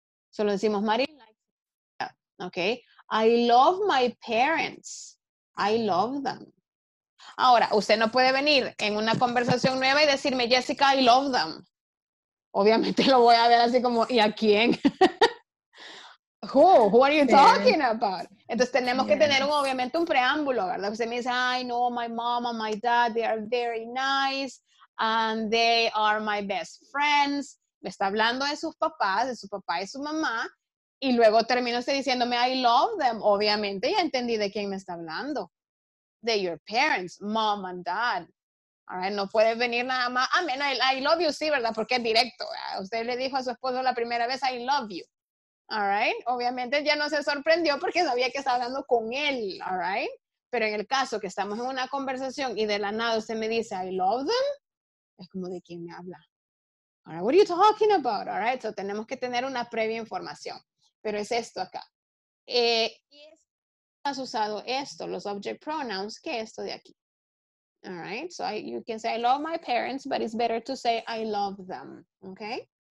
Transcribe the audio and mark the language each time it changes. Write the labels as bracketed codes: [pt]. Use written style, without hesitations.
[es] Solo decimos [en] Marilyn likes him. Ok, I love my parents. I love them. [es] Ahora, usted no puede venir en una conversación nueva y decirme, Jessica, [en] I love them. [es] Obviamente lo voy a ver así como, ¿y a quién? [en] Who are you talking about? [es] Entonces tenemos que tener obviamente un preámbulo, ¿verdad? Usted me dice, [en] I know my mom and my dad, they are very nice, and they are my best friends. [es] Me está hablando de sus papás, de su papá y su mamá, y luego termina usted diciéndome, I love them. Obviamente ya entendí de quién me está hablando. [en] De your parents, mom and dad. All right, [es] no puede venir nada más, [en] I mean, I love you, [es] sí, ¿verdad? Porque es directo, ¿verdad? Usted le dijo a su esposo la primera vez, [en] I love you, all right? [es] Obviamente ya no se sorprendió porque sabía que estaba hablando con él, [en] all right? [es] Pero en el caso que estamos en una conversación y de la nada usted me dice, [en] I love them, [es] es como, ¿de quién me habla? [en] All right, what are you talking about, all right? So [es] tenemos que tener una previa información, pero es esto acá. ¿Has usado esto, los object pronouns, que esto de aquí? [en] All right, so you can say, I love my parents, but it's better to say, I love them, okay?